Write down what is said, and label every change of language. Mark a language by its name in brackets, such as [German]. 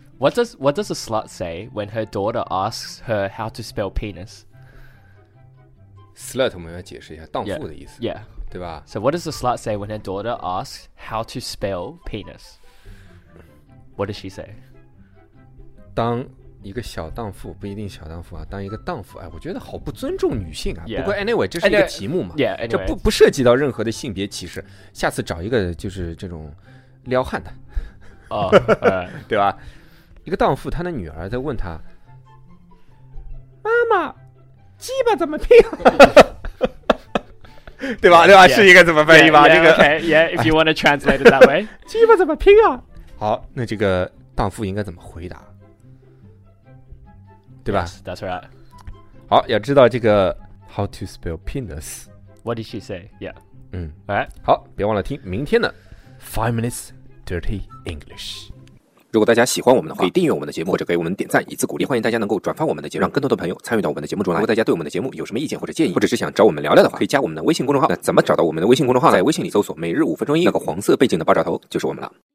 [English] What does a slut say when her daughter asks her how to spell penis? [Chinese] slut 我们要解释一下荡妇的意思 [English] yeah. yeah. [Chinese] 对吧 [English] So what does the slut say when her daughter asks how to spell penis? What does she say? [Chinese] 当一个小荡妇不一定小荡妇啊，当一个荡妇，哎，我觉得好不尊重女性啊。 [English] Yeah. [Chinese] 不过 anyway， 这是一个题目嘛， [English] yeah, anyway. [Chinese] 这不涉及到任何的性别歧视。下次找一个就是这种撩汉的，哦、对吧？一个荡妇，她的女儿在问她妈妈，鸡巴怎么拼？对吧？对吧？ [English] Yeah. [Chinese] 是一个怎么翻译吧？ [English] Yeah, [Chinese] 这个 [English] ，Yeah， if you want to translate it that way， [Chinese] 鸡巴怎么拼啊？好，那这个荡妇应该怎么回答？对吧 [English] yes, that's right. [Chinese] 好，要知道这个 [English] how to spell penis. What did she say? Yeah. 嗯，All right. [Chinese] 好，别忘了听明天的 Five Minutes Dirty English. 如果大家喜欢我们的话，可以订阅我们的节目，或者给我们点赞以资鼓励。欢迎大家能够转发我们的节目，让更多的朋友参与到我们的节目中来。如果大家对我们的节目有什么意见或者建议，或者是想找我们聊聊的话，可以加我们的微信公众号。那怎么找到我们的微信公众号呢？在微信里搜索"每日五分钟英语"，那个黄色背景的爆炸头就是我们了。